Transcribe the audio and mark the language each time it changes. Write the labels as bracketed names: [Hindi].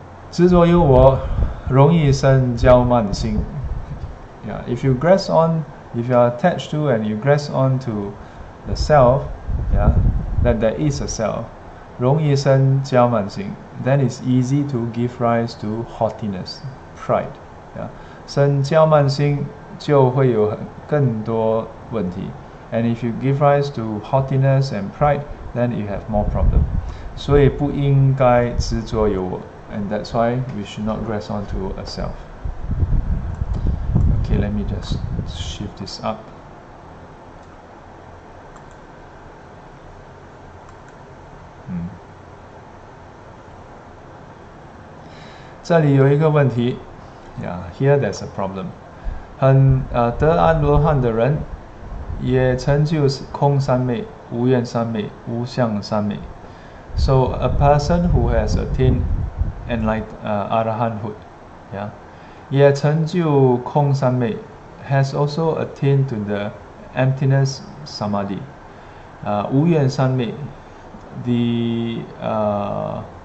[Chinese] 执着有我，容易生骄慢心。 [English] Yeah, if you grasp on, if you are attached to and you grasp onto the self, yeah, that there is a self, [Chinese] 容易生骄慢心。 [English] Then it's easy to give rise to haughtiness, pride. [Chinese] Yeah, 生骄慢心就会有更多问题。 [English] And if you give rise to haughtiness and pride, then you have more problem. [Chinese] 所以不应该执着有我。 [English] And that's why we should not grasp onto a self. Okay, let me just shift this up. Here [Chinese] 有一个问题， [English] yeah, here there's a problem. [Chinese] 得阿罗汉的人，也成就空三昧、无愿三昧、无相三昧。 [English] So a person who has attained Arahanthood, yeah, [Chinese] 也成就空三昧 [English] has also attained to the emptiness samadhi, 无缘三昧 the